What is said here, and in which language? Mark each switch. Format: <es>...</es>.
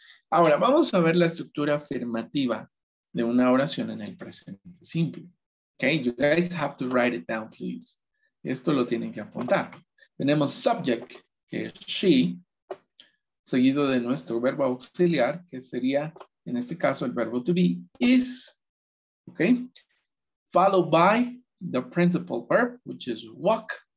<es>Ahora, vamos a ver la estructura afirmativa de una oración en el presente simple. ¿Ok?</es> <en>You guys have to write it down, please.</en> <es>Esto lo tienen que apuntar. Tenemos subject, que es she, seguido de nuestro verbo auxiliar, que sería, en este caso, el verbo to be, is. ¿Ok?</es> <en>Followed by the principal verb, which is walk.</en>